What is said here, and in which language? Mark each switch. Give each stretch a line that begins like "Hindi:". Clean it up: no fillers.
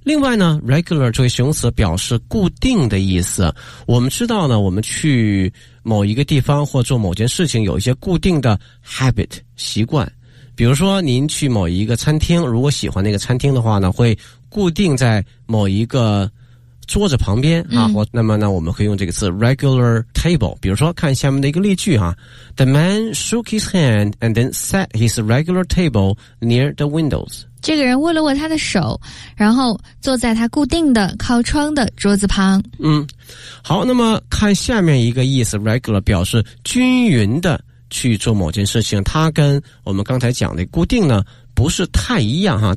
Chinese: 另外呢 regular 作为形容词表示固定的意思，我们知道呢我们去某一个地方或做某件事情有一些固定的 habit 习惯，比如说您去某一个餐厅，如果喜欢那个餐厅的话呢会固定在某一个桌子旁边啊，嗯，那么呢我们可以用这个词
English: regular table。
Chinese: 比如说看下面的一个例句啊，
English: The man shook his hand and then set his regular table near the windows。
Chinese: 这个人握了握他的手，然后坐在他固定的靠窗的桌子旁。嗯，好，那么看下面一个意思， regular 表示均匀的去做某件事情，它跟我们刚才讲的固定呢不是太一样哈。